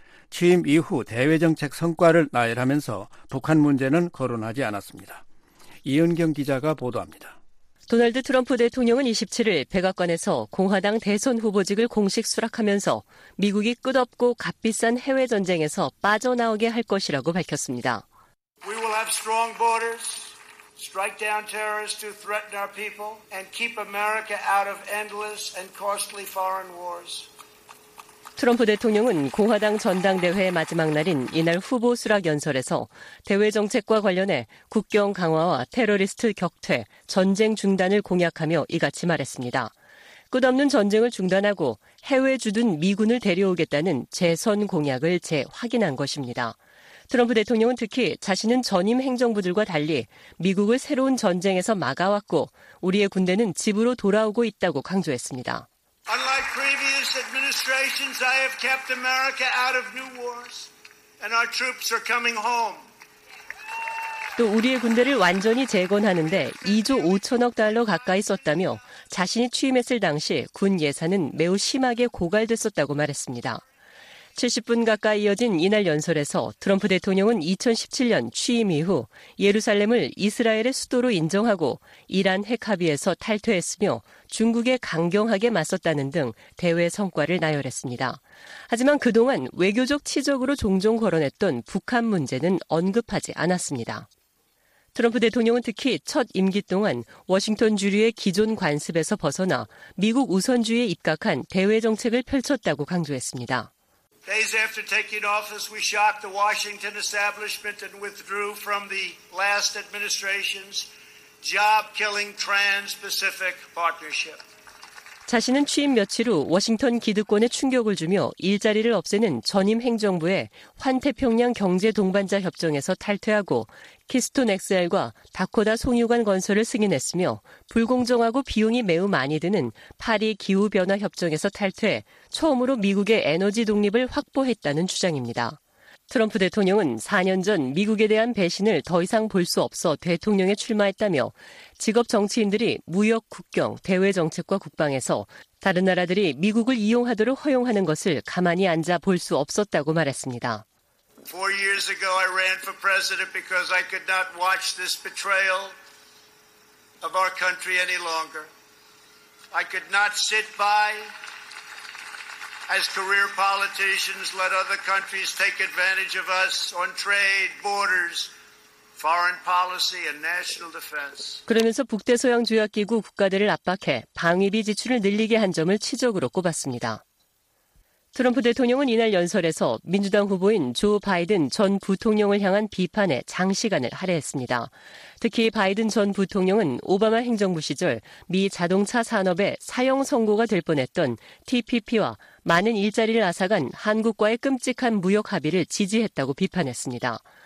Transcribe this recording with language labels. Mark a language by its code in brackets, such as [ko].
[ko] 취임 이후 대외정책 성과를 나열하면서 북한 문제는 거론하지 않았습니다. 이은경 기자가 보도합니다. 도널드 트럼프 대통령은 27일 백악관에서 공화당 대선 후보직을 공식 수락하면서 미국이 끝없고 값비싼 해외 전쟁에서 빠져나오게 할 것이라고 밝혔습니다. [en] We will have strong borders, strike down terrorists to threaten our people, and keep America out of endless and costly foreign wars. [ko] 트럼프 대통령은 공화당 전당대회 마지막 날인 이날 후보 수락 연설에서 대외 정책과 관련해 국경 강화와 테러리스트 격퇴, 전쟁 중단을 공약하며 이같이 말했습니다. 끝없는 전쟁을 중단하고 해외 주둔 미군을 데려오겠다는 재선 공약을 재확인한 것입니다. 트럼프 대통령은 특히 자신은 전임 행정부들과 달리 미국을 새로운 전쟁에서 막아왔고 우리의 군대는 집으로 돌아오고 있다고 강조했습니다. [en] Unlike previous administrations, I have kept America out of new wars, and our troops are coming home. [ko] 또 우리의 군대를 완전히 재건하는데 2조 5천억 달러 가까이 썼다며 자신이 취임했을 당시 군 예산은 매우 심하게 고갈됐었다고 말했습니다. 70분 가까이 이어진 이날 연설에서 트럼프 대통령은 2017년 취임 이후 예루살렘을 이스라엘의 수도로 인정하고 이란 핵 합의에서 탈퇴했으며 중국에 강경하게 맞섰다는 등 대외 성과를 나열했습니다. 하지만 그동안 외교적 치적으로 종종 거론했던 북한 문제는 언급하지 않았습니다. 트럼프 대통령은 특히 첫 임기 동안 워싱턴 주류의 기존 관습에서 벗어나 미국 우선주의에 입각한 대외 정책을 펼쳤다고 강조했습니다. [en] Days after taking office, we shocked the Washington establishment and withdrew from the last administration's job-killing Trans-Pacific Partnership. [ko] 자신은 취임 며칠 후 워싱턴 기득권에 충격을 주며 일자리를 없애는 전임 행정부의 환태평양 경제 동반자 협정에서 탈퇴하고 키스톤 XL과 다코다 송유관 건설을 승인했으며 불공정하고 비용이 매우 많이 드는 파리 기후변화 협정에서 탈퇴해 처음으로 미국의 에너지 독립을 확보했다는 주장입니다. 트럼프 대통령은 4년 전 미국에 대한 배신을 더 이상 볼 수 없어 대통령에 출마했다며 직업 정치인들이 무역, 국경, 대외 정책과 국방에서 다른 나라들이 미국을 이용하도록 허용하는 것을 가만히 앉아 볼 수 없었다고 말했습니다. 4년 전에 [en] I ran for president because I could not watch this betrayal of our country any longer. I could not sit by as career politicians let other countries take advantage of us on trade, borders, foreign policy and national defense. [ko] 그러면서 북대서양 조약기구 국가들을 압박해 방위비 지출을 늘리게 한 점을 치적으로 꼽았습니다. 트럼프 대통령은 이날 연설에서 민주당 후보인 조 바이든 전 부통령을 향한 비판에 장시간을 할애했습니다. 특히 바이든 전 부통령은 오바마 행정부 시절 미 자동차 산업의 사형 선고가 될 뻔했던 TPP와 많은 일자리를 앗아간 한국과의 끔찍한 무역 합의를 지지했다고 비판했습니다.